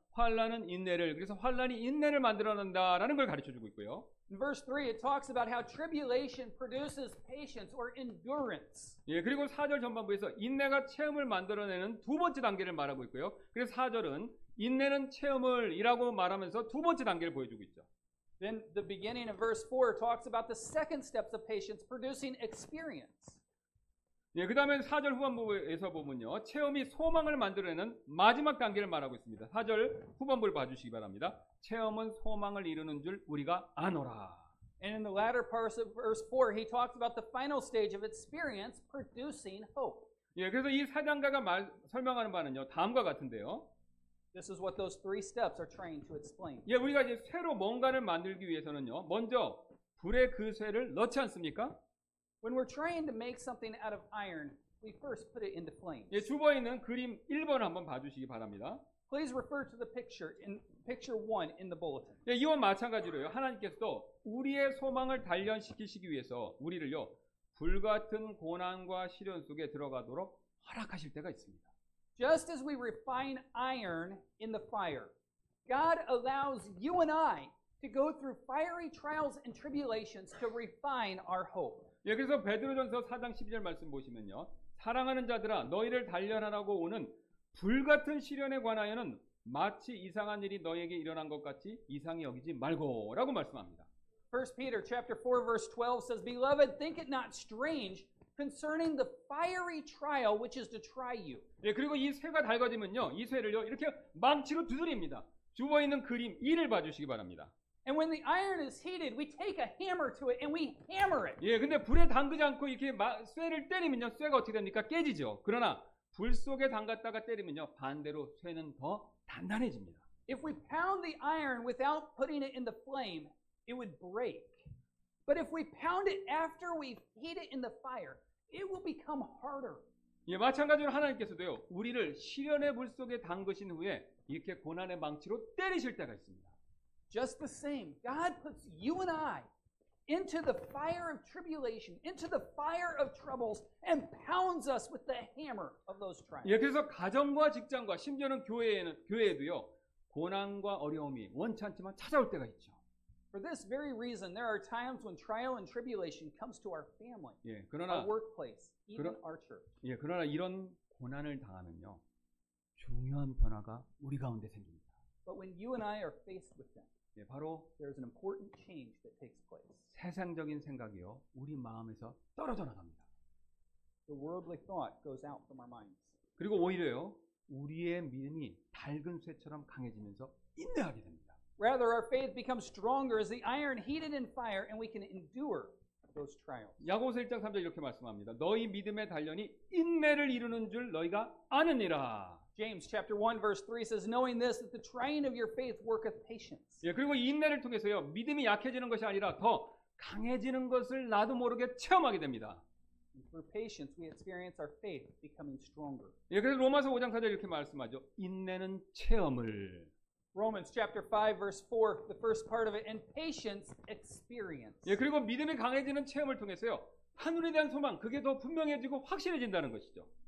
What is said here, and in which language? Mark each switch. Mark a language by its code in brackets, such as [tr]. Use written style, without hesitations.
[ko] 환난은 인내를 그래서 환난이 인내를 만들어낸다라는 걸 가르쳐 주고 있고요. [en] In verse 3 it talks about how tribulation produces patience or endurance. [ko] 예, 그리고 4절 전반부에서 인내가 체험을 만들어내는 두 번째 단계를 말하고 있고요. 그래서 4절은 인내는 체험을이라고 말하면서 두 번째 단계를 보여주고 있죠. [en] Then the beginning of verse 4 talks about the second steps of patience producing experience. [ko] 예, 그 다음에 4절 후반부에서 보면요. 체험이 소망을 만들어내는 마지막 단계를 말하고 있습니다. 4절 후반부를 봐주시기 바랍니다. 체험은 소망을 이루는 줄 우리가 아노라. [en] And in the latter part of verse 4, he talks about the final stage of experience producing hope. [ko] 예, 그래서 이 4단계가 설명하는 바는요. 다음과 같은데요. [en] This is what those three steps are trying to explain. [ko] 예, 우리가 이제 새로 뭔가를 만들기 위해서는요. 먼저 불에 그 쇠를 넣지 않습니까? [en] When we're trying to make something out of iron, we first put it into flames. [ko] 예, 주변에 있는 그림 1번 한번 봐 주시기 바랍니다. [en] Please refer to the picture in picture 1 in the bulletin. [ko] 예, 이와 마찬가지로요. 하나님께서도 우리의 소망을 단련시키시기 위해서 우리를요. 불 같은 고난과 시련 속에 들어가도록 허락하실 때가 있습니다. [en] Just as we refine iron in the fire, God allows you and I to go through fiery trials and tribulations to refine our hope. [ko] 예, 그래서 베드로전서 4장 12절 말씀 보시면요. 사랑하는 자들아, 너희를 단련하라고 오는 불 같은 시련에 관하여는 마치 이상한 일이 너희에게 일어난 것 같이 이상히 여기지 말고라고 말씀합니다. [en] 1 Peter chapter 4 verse 12 says, "Beloved, think it not strange concerning the fiery trial which is to try you." [ko] 예, 그리고 이 쇠가 달궈지면요. 이 쇠를요. 이렇게 망치로 두드립니다. 주어 있는 그림 2를 봐 주시기 바랍니다. [en] And when the iron is heated, we take a hammer to it and we hammer it. [ko] 예, 근데 불에 담그지 않고 이렇게 쇠를 때리면요. 쇠가 어떻게 됩니까? 깨지죠. 그러나 불 속에 담갔다가 때리면요. 반대로 쇠는 더 단단해집니다. [en] If we pound the iron without putting it in the flame, it would break. But if we pound it after we've heat it in the fire, it will become harder. [ko] 예, 마찬가지로 하나님께서도요, 우리를 시련의 불 속에 담그신 후에 이렇게 고난의 망치로 때리실 때가 있습니다. [en] Just the same, God puts you and I into the fire of tribulation, into the fire of troubles, and pounds us with the hammer of those trials. [ko] 예, 그래서 가정과 직장과 심지어는 교회에도요, 고난과 어려움이 원치 않지만 찾아올 때가 있죠. [en] For this very reason, there are times when trial and tribulation comes to our family, [ko] 예, 그러나, [en] our workplace, even our church. [ko] 예, 그러나 이런 고난을 당하면요, 중요한 변화가 우리 가운데 생깁니다. [en] But when you and I are faced with them, [ko] 예, 바로 [en] there's an important change that takes place. [ko] 세상적인 생각이요, 우리 마음에서 떨어져 나갑니다. [en] The worldly thought goes out from our minds. [ko] 그리고 오히려요, 우리의 믿음이 달근 쇠처럼 강해지면서 인내하게 됩니다. [en] Rather, our faith becomes stronger as the iron heated in fire, and we can endure those trials. [ko] 야고보서 1장 3절 이렇게 말씀합니다. 너희 믿음의 단련이 인내를 이루는 줄 너희가 아느니라. [en] James chapter 1 verse 3 says, "Knowing this, that the trying of your faith worketh patience." [ko] 예, 그리고 인내를 통해서요, 믿음이 약해지는 것이 아니라 더 강해지는 것을 나도 모르게 체험하게 됩니다. [en] And through patience, we experience our faith becoming stronger. [ko] 예, 그래서 로마서 5장 4절 이렇게 말씀하죠. 인내는 체험을 [en] Romans chapter 5 verse 4 the first part of it and patience experience. [ko] 예, 그리고 믿음이 강해지는 체험을 통해서요. 하늘에 대한 소망 그게 더 분명해지고 확실해진다는 것이죠.